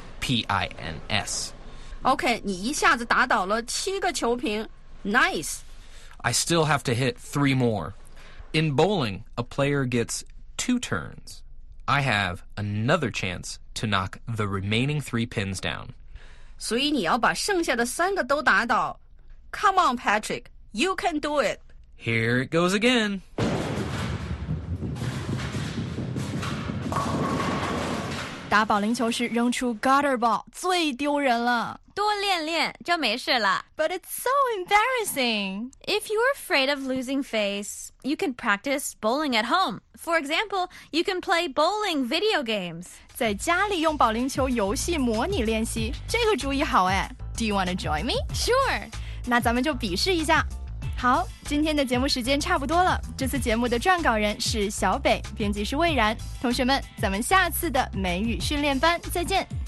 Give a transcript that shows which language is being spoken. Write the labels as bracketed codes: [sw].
[en] P-I-N-S. Okay, [zh] 你一下子打倒了七个球瓶。 [en] Nice. I still have to hit 3 more. In bowling, a player gets 2 turns. I have another chance to knock the remaining 3 pins down. [zh] 所以你要把剩下的三个都打倒。 [en] Come on, Patrick. You can do it. Here it goes again. [zh] 打保龄球时扔出 gutter ball 最丢人了。多练练就没事了。 [en] But it's so embarrassing. If you're afraid of losing face, you can practice bowling at home. For example, you can play bowling video games. [zh] 在家里用保龄球游戏模拟练习，这个主意好哎。 [en] Do you want to join me? Sure. [zh] 那咱们就比试一下。好，今天的节目时间差不多了。这次节目的撰稿人是小北，编辑是魏然。同学们，咱们下次的美语训练班再见，